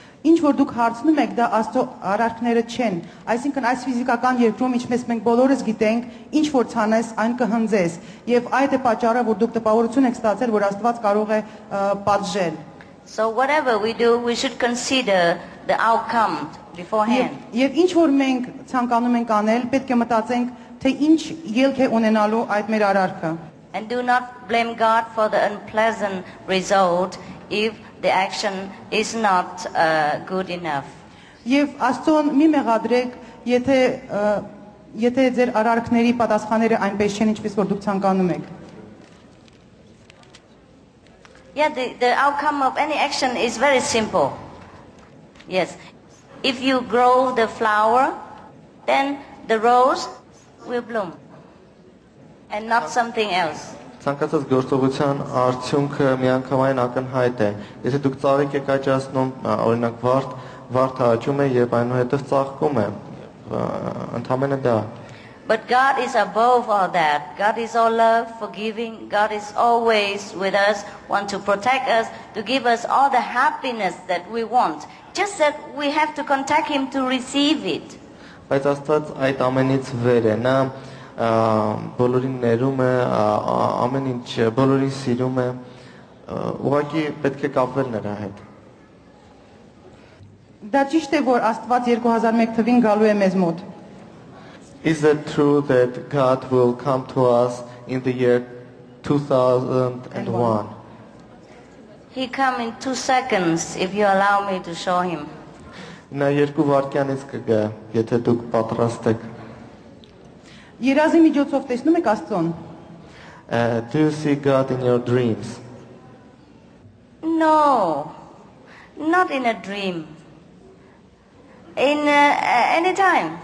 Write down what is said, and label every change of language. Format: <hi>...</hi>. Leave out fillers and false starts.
<hy>Ինչ որ դուք հարցնում եք, դա աստո արարքները չեն։ Այսինքն այս ֆիզիկական երկրում, ինչպես մենք բոլորս գիտենք, ինչ որ ցանես, այն կհնձես։ Եվ այդ է պատճառը, որ դուք տպավորություն եք ստացել, որ Աստված կարող է պատժել։</hy> <en>So whatever we do, we should consider the outcome beforehand.</en> <hy>Եվ ինչ որ մենք ցանկանում ենք անել, պետք է մտածենք, թե ինչ ելք է ունենալու այդ մեր արարքը։</hy> <en>And do not blame God for the unpleasant result if the action is not good enough.</en> <hy>Եվ աստուն մի մեղադրեք, եթե ձեր արարքների պատասխանները այնպես չեն, ինչպես որ դուք ցանկանում եք.</hy> <en>Yeah, the outcome of any action is very simple. Yes. If you grow the flower, then the rose will bloom and not something else.</en> <hy>Ցանկացած գործողության արդյունքը միանգամայն ակնհայտ է։ Եթե դուք ծաղիկ եք աճացնում, օրինակ վարդը աճում է եւ այնուհետեւ ծաղկում է, ընդամենը դա։</hy> <en>But God is above all that. God is all love, forgiving. God is always with us, want to protect us, to give us all the happiness that we want. Just that we have to contact him to receive it.</en> <hy>Բայց Աստված այդ ամենից վեր է, նա բոլորին ներում է, ամեն ինչ բոլորին սիրում է, ուղղակի պետք է կապվել նրա հետ։ Դա ճիշտ է, որ Աստված 2001 թվին գալու է մեզ մոտ։</hy> <en>Is it true that God will come to us in the year 2001? He come in 2 seconds if you allow me to show him.</en> <hy>Նա երկու վայրկյանից կգա, եթե դուք պատրաստ եք։ Երազի միջոցով տեսնում եք Աստծուն։</hy> <en>Do you see God in your dreams? No. Not in a dream. In any time.</en>